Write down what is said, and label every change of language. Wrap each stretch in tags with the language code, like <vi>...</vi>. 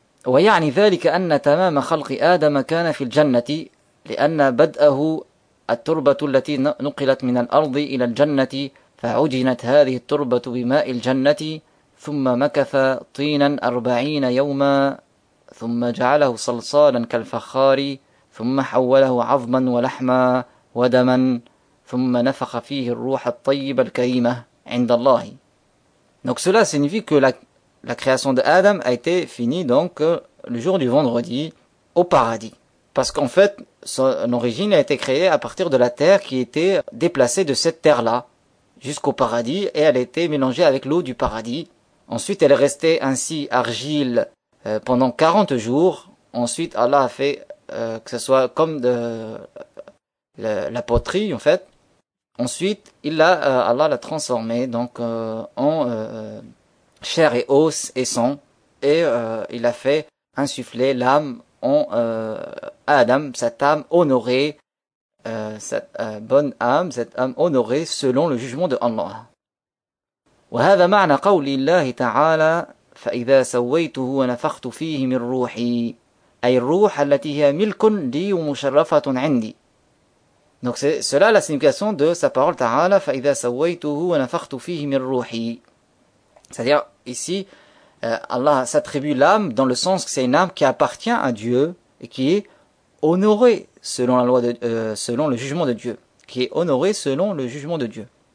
<ar>ويعني ذلك أن تمام خلق آدم كان في الجنة لأن بدأه التربة التي نقلت من الأرض إلى الجنة فعجنت هذه التربة بماء الجنة ثم مكث طينا 40 يوما ثم جعله صلصالا كالفخار ثم حوله عظما ولحما ودما ثم نفخ فيه الروح الطيبة الكريمة عند الله.</ar> <fr>Donc cela signifie que la création d'Adam a été finie donc le jour du vendredi au paradis. Parce qu'en fait, son origine a été créée à partir de la terre qui était déplacée de cette terre-là jusqu'au paradis et elle a été mélangée avec l'eau du paradis. Ensuite, elle est restée ainsi argile pendant 40 jours. Ensuite, Allah a fait que ce soit comme de la poterie en fait. Ensuite, Allah l'a transformée donc en chair et os et sang et il a fait insuffler l'âme à Adam, cette âme honorée, bonne âme, cette âme honorée selon le jugement de Allah.</fr> <ar>وهذا معنى قول الله تعالى فإذا سويته ونفخت فيه من روحي أي الروح التي هي ملك لي ومشرفة عندي.</ar> <fr>Donc c'est cela la signification de sa parole تعالى</fr> <ar>فإذا سويته ونفخت فيه من روحي.</ar> <fr>C'est-à-dire ici Allah s'attribue l'âme dans le sens que c'est une âme qui appartient à Dieu et qui est honorée selon la loi de selon le jugement de Dieu, qui est honorée selon le jugement de Dieu.</fr>